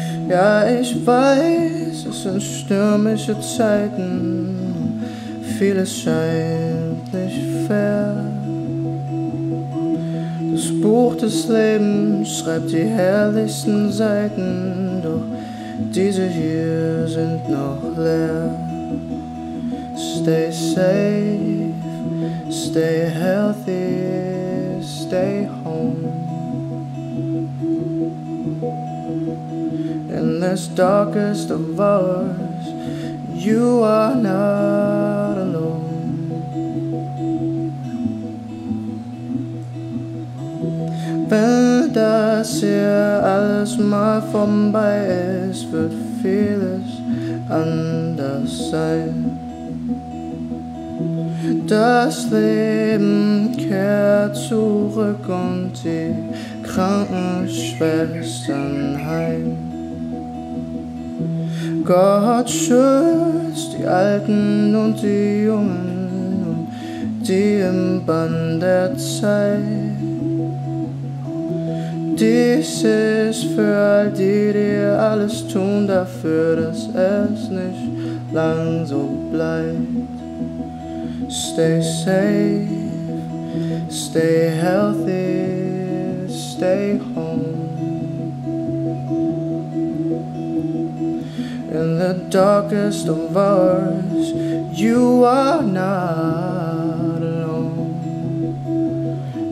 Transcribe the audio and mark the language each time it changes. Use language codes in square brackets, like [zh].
[de] Ja, ich weiß, es sind stürmische Zeiten, vieles scheint nicht fair. Das Buch des Lebens schreibt die herrlichsten Seiten, doch diese hier sind noch leer. [en] Stay safe, stay healthy, stay home. In this darkest of hours, you are not alone. [de] Wenn das hier alles mal vorbei ist, wird vieles anders sein. Das Leben kehrt zurück und die Krankenschwestern heim. Gott schützt die Alten und die Jungen und die im Bann der Zeit. Dies ist für all die, die alles tun dafür, dass es nicht lang so bleibt. [en] Stay safe, stay healthy, stay home. In the darkest of hours, you are not alone.